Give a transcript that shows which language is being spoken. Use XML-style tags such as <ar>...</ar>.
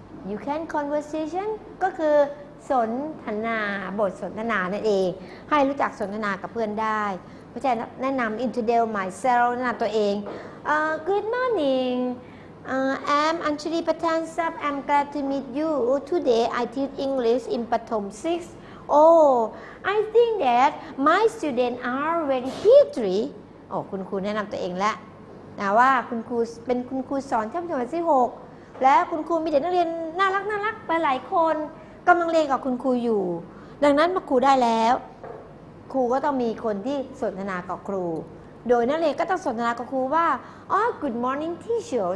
<en>You can conversation</en> <th>ก็คือสนทนาบทสนทนานั่นเองให้รู้จักสนทนากับเพื่อนได้เพราะฉะนั้นแนะนำ</th> <en>introduce myself</en> <th>นะตัวเอง</th> <en>Good morningI'm Anjali Patan Sab. I'm glad to meet you. Today I teach English in Pathom 6. Oh, I think that my students are very cute.</en> <th>Oh, คุณครูแนะนำตัวเองแล้วนะว่าคุณครูเป็นคุณครูสอนชั้นประถมที่6และคุณครูมีเด็กนักเรียนน่ารักน่ารักไปหลายคนกำลังเรียนกับคุณครูอยู่ดังนั้นมาครูได้แล้วครูก็ต้องมีคนที่สนทนากับครูโดยนักเรียนก็ต้องสนทนากับครูว่า</th> <en>Oh, good morning, teacher.</en>